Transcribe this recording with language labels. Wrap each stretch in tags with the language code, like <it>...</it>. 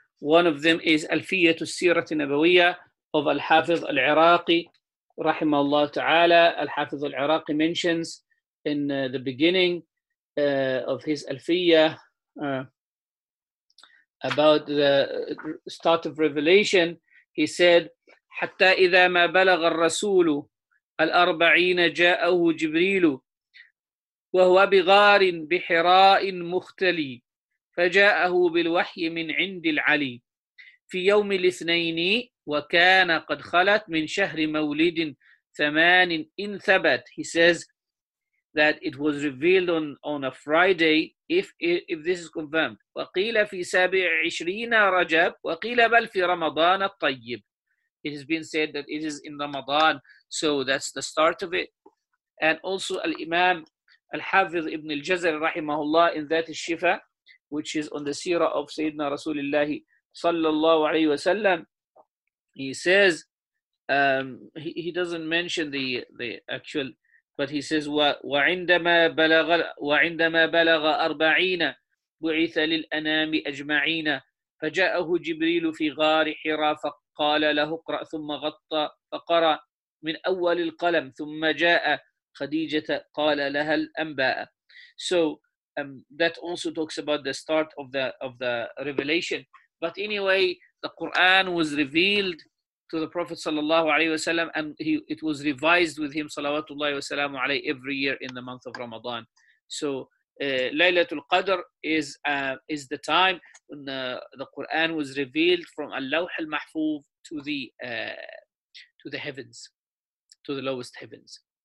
<en>One of them is Alfiyat al-Sirat al-Nabawiyya of Al-Hafiz al-Iraqi, rahimahullah ta'ala. Al-Hafiz al-Iraqi mentions in the beginning of his Alfiyah about the start of revelation. He said,</en> <ar>حتى إذا ما بلغ الرسول الأربعين جاءه جبريل وهو بغار بحراء مختلي فجاءه بالوحي من عند العلي في يوم الاثنين وكان قد خلت من شهر مولد ثمان إن ثبت.</ar> <en>He says that it was revealed on a Friday, if this is confirmed.</en> <ar>وقيل في سابع عشرين رجب وقيل بل في رمضان الطيب.</ar> <en>It has been said that it is in Ramadan, so that's the start of it. And also Al-Imam Al-Hafiz Ibn Al-Jazr, rahimahullah, in that is Shifa, which is on the seerah of Sayyidina Rasulullah sallallahu alayhi wa sallam. He says, he doesn't mention the actual, but he says,</en> <ar>وَعِندَمَا بَلَغَ أَرْبَعِينَ بُعِثَ لِلْأَنَامِ أَجْمَعِينَ فَجَاءَهُ جِبْرِيلُ فِي غَارِ حِرَى قال له اقرأ ثم غطى فقرأ من أول القلم ثم جاء خديجة قال لها الأنباء.</ar> <en>So that also talks about the start of the revelation. But anyway, the Quran was revealed to the Prophet sallallahu alaihi wasallam, and it was revised with him salawatullahi wasallamu alaihi every year in the month of Ramadan. So Laylatul Qadr is the time when the Quran was revealed from Al-Lawh Al-Mahfuz to the heavens, to the lowest heavens.</en>